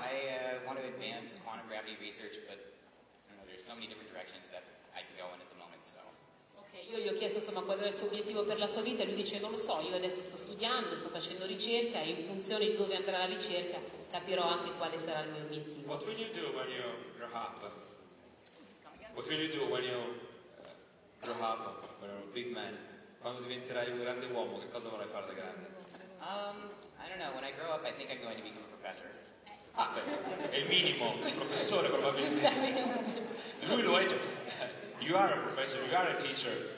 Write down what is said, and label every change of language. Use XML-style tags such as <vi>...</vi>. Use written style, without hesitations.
<en>I want to advance quantum gravity research, but I don't know, there's so many different directions that I can go in at the moment, so.</en> <it>Okay, io gli ho chiesto insomma qual era il suo obiettivo per la sua vita, e lui dice non lo so, io adesso sto studiando, sto facendo ricerca, e in funzione di dove andrà la ricerca capirò anche quale sarà il mio obiettivo.</it> <en>What will you do when you grow up? What will you do when you grow up, when you're a big man?</en> <it>Quando diventerai un grande uomo, che cosa vorrai fare da grande?</it> <en>I don't know, when I grow up I think I'm going to become a professor.</en> <it>Ah, il minimo, il professore probabilmente. Lui lo è già.</it> <en>You are a professor, you are a teacher.</en>